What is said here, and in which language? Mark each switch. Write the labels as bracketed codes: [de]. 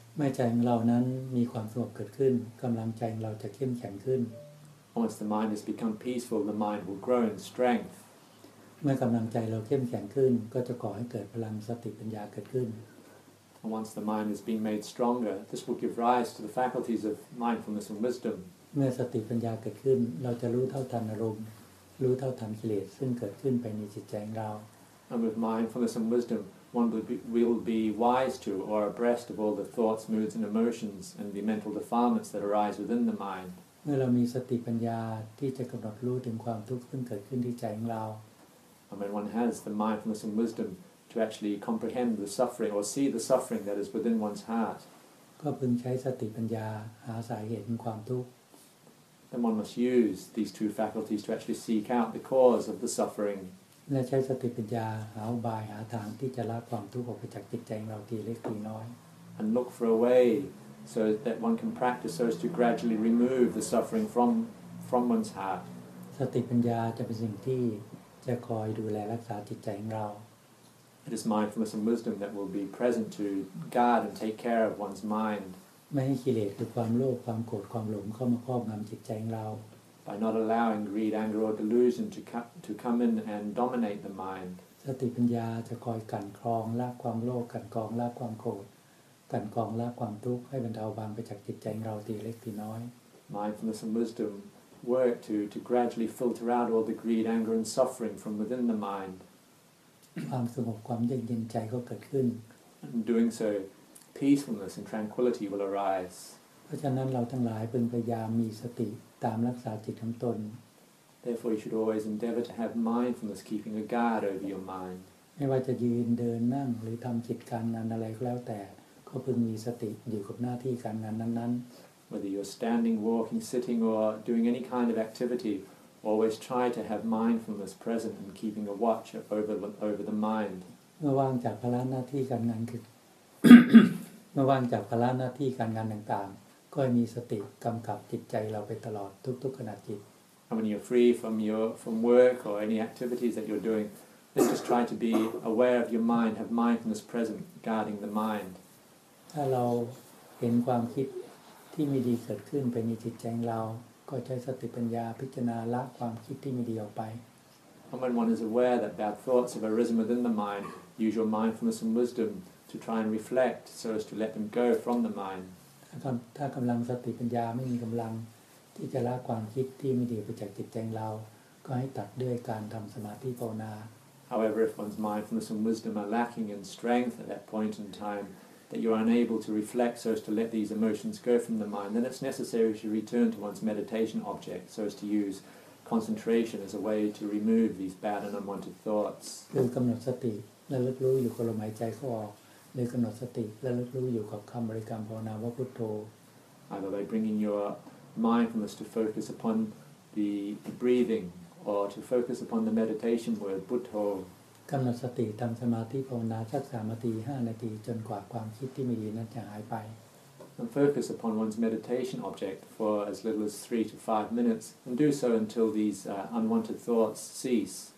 [th] เมื่อใจของเรานั้นมีความสงบเกิดขึ้นกำลังใจเราจะเข้มแข็งขึ้น [en] Once the mind has become peaceful the mind will grow in strength [th] เมื่อกำลังใจเราเข้มแข็งขึ้นก็จะก่อให้เกิดพลังสติปัญญาเกิดขึ้น [en] And once the mind has been made stronger, this will give rise to the faculties of mindfulness and wisdom. [th] เมื่อสติปัญญาเกิดขึ้นเราจะรู้เท่าทันอารมณ์รู้เท่าทันกิเลสซึ่งเกิดขึ้นภายในจิตใจเรา [en] And with mindfulness and wisdom, one will be wise to or abreast of all the thoughts, moods, and emotions and the mental defilements that arise within the mind. [th] เมื่อเรามีสติปัญญาที่จะกำหนดรู้ถึงความทุกข์ซึ่งเกิดขึ้นที่ใจของเรา [en] And when one has the mindfulness and wisdom to actually comprehend the suffering or see the suffering that is within one's heart. [th] ก็พึงใช้สติปัญญาหาสาเหตุของความทุกข์ [en] Then one must use these two faculties to actually seek out the cause of the suffering. [th] และใช้สติปัญญาหาอุบายหาทางที่จะละความทุกข์ออกไปจากจิตใจของเราทีเล็กทีน้อย [en] And look for a way so that one can practice so as to gradually remove the suffering from one's heart. [th] สติปัญญาจะเป็นสิ่งที่จะคอยดูแลรักษาจิตใจของเรา [en] It is mindfulness and wisdom that will be present to guard and take care of one's mind. [th] ไม่ให้กิเลสคือความโลภความโกรธความหลงเข้ามาครอบงำจิตใจของเรา [en] By not allowing greed, anger, or delusion to come in and dominate the mind [th] สติปัญญาจะคอยกันกรองละความโลภกันกรองละความโกรธกันกรองละความทุกข์ให้บรรเทาบางไปจากจิตใจของเราทีเล็กทีน้อย [en] Mindfulness and wisdom work to gradually filter out all the greed, anger, and suffering from within the mind [th] ความสงบความเยือกเย็นใจก็เกิดขึ้น [en] And doing soPeacefulness and tranquility will arise. [th] เพราะฉะนั้นเราทั้งหลายพึงพยายามมีสติตามรักษาจิตของตน [en] Therefore, you should always endeavor to have mindfulness, keeping a guard over your mind. [th] ไม่ว่าจะยืนเดินนั่งหรือทำกิจการงานอะไรก็แล้วแต่ก็พึงมีสติอยู่กับหน้าที่การงานนั้น [en] ๆ Whether you're standing, walking, sitting, or doing any kind of activity, always try to have mindfulness present and keeping a watch over the mind. [th] เมื่อว่างจากภาระหน้าที่การงานคือเมื่อว่างจากภาระหน้าที่การงานต่างๆก็มีสติกำกับจิตใจเราไปตลอดทุกๆขณะจิต [en] And when you're free from work or any activities that you're doing, just try to be aware of your mind, have mindfulness present, guarding the mind. [th] ถ้าเราเห็นความคิดที่ไม่ดีเกิดขึ้นไปในจิตใจเราก็ใช้สติปัญญาพิจารณาละความคิดที่ไม่ดีออกไป [en] And when one is aware that bad thoughts have arisen within the mind, use your mindfulness and wisdomTo try and reflect, so as to let them go from the mind. [th] ถ้ากำลังสติปัญญาไม่มีกำลังที่จะละความคิดที่ไม่ดีไปจากจิตใจเราก็ให้ตัดด้วยการทำสมาธิภาวนา [en] However, if one's mindfulness and wisdom are lacking in strength at that point in time, that you are unable to reflect, so as to let these emotions go from the mind, then it's necessary to return to one's meditation object, so as to use concentration as a way to remove these bad and unwanted thoughts. [th] คือกำหนดสติและระลึกรู้อยู่กับลมหายใจเข้าออกเลยกำหนดสติและรู้อยู่กับคำบริกรรมภาวนาว่าพุทโธ [en] Either by bringing your mindfulness to focus upon the breathing or to focus upon the meditation word พุทโธ [th] กำหนดสติทำสมาธิภาวนาสักสามนาทีห้านาทีจนกว่าความคิดที่ไม่ดีนั้นจะหายไป [en] And focus upon one's meditation object for as little as 3 to 5 minutes and do so until these unwanted thoughts cease